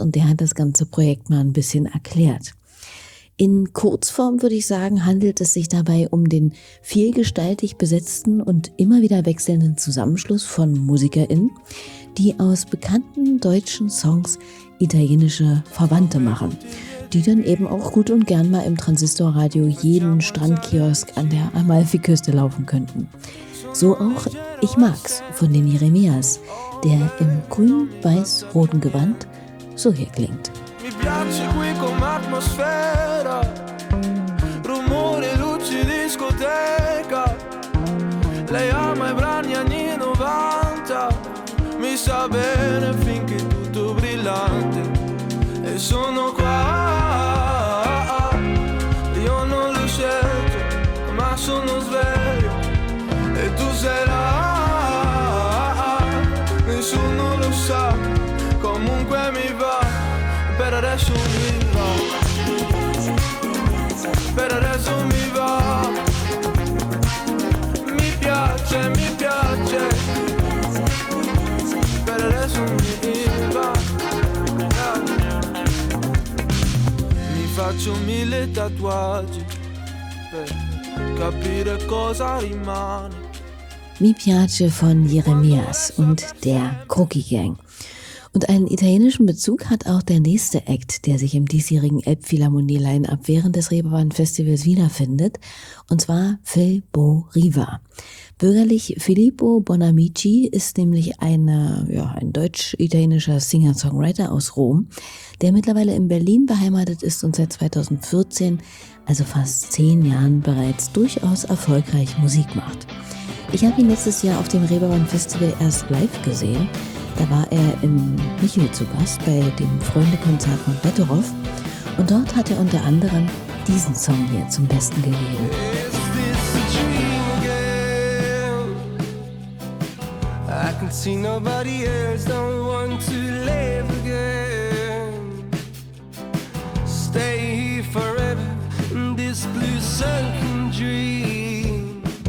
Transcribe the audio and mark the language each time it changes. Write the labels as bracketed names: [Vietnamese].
[German] Und der hat das ganze Projekt mal ein bisschen erklärt. In Kurzform würde ich sagen, handelt es sich dabei um den vielgestaltig besetzten und immer wieder wechselnden Zusammenschluss von MusikerInnen, die aus bekannten deutschen Songs italienische Verwandte machen, die dann eben auch gut und gern mal im Transistorradio jeden Strandkiosk an der Amalfiküste laufen könnten. So auch Ich mag's von den Jeremias, der im grün-weiß-roten Gewand so hier klingt. [Italian] Mi piace qui come atmosfera, rumore, luci, discoteca. Lei ama i brani anni 90, mi sa bene finché tutto brillante. E sono qua, io non l'ho scelto, ma sono sveglio. E tu sei là, nessuno lo sa, comunque mi va. Per adesso mi va, per adesso mi va. Mi piace, per adesso mi va. Mi faccio mille tatuaggi per capire cosa rimane. [German] Mi piace von Jeremias und der Crookie Gang. Und einen italienischen Bezug hat auch der nächste Act, der sich im diesjährigen Elbphilharmonie-Line-Up während des Reeperbahn-Festivals wiederfindet, und zwar Phil Bo Riva. Bürgerlich Filippo Bonamici ist nämlich ein deutsch-italienischer Singer-Songwriter aus Rom, der mittlerweile in Berlin beheimatet ist und seit 2014, also fast 10 Jahren, bereits durchaus erfolgreich Musik macht. Ich habe ihn letztes Jahr auf dem Reeperbahn-Festival erst live gesehen. Da war er im Michel zu Gast bei dem Freundekonzert von Betteroff. Und dort hat er unter anderem diesen Song hier zum Besten gegeben. [English] Is this a dream again? I can see nobody else, don't want to live again. Stay here forever in this blue sunken dream.